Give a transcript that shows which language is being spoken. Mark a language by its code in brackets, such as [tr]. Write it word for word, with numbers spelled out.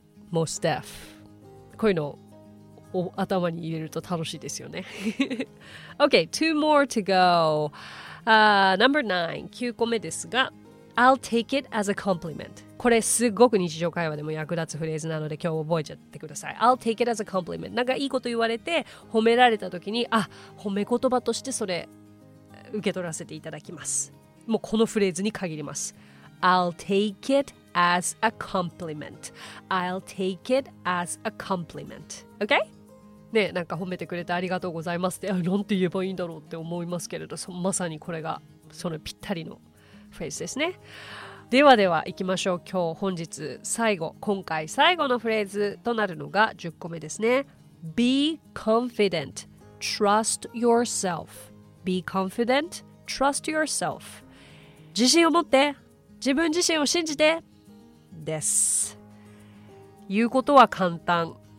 [ja] most deaf、 こういうのを頭に入れると楽しいですよね [en] OK, two more to go、 [ja] uh,ナンバーナイン きゅうこめですが、 [en] I'll take it as a compliment、 [ja] これすごく日常会話でも役立つフレーズなので今日覚えちゃってください。 [en] I'll take it as a compliment、 [ja] なんかいいこと言われて褒められた時に、あ、褒め言葉としてそれ受け取らせていただきます、もうこのフレーズに限ります。 [en] I'll take it as a compliment I'll take it as a compliment OK? [ja] ね、なんか褒めてくれてありがとうございますって、あ、なんて言えばいいんだろうって思いますけれど、そまさにこれがそのぴったりのフレーズですね。ではでは行きましょう。今日本日最後、今回最後のフレーズとなるのがじゅっこめですね。 [en] Be confident, trust yourself [ja] Be confident, trust yourself 自信を持って、自分自身を信じてです。言うことは簡単、